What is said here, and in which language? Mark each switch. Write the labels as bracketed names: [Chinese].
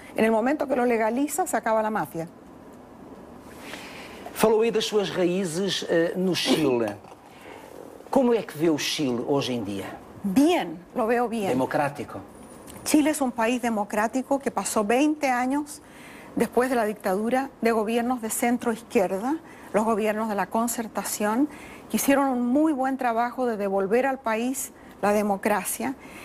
[Spanish] En el momento que lo legaliza, se acaba la mafia. [Portuguese] Falou aí das suas raízes no Chile. [Spanish] ¿Cómo es que ve o Chile hoy en día? Bien, lo veo bien. Democrático. Chile es un país democrático que pasó 20 años después de la dictadura de gobiernos de centro-izquierda, los gobiernos de la concertación, que hicieron un muy buen trabajo de devolver al país la democracia.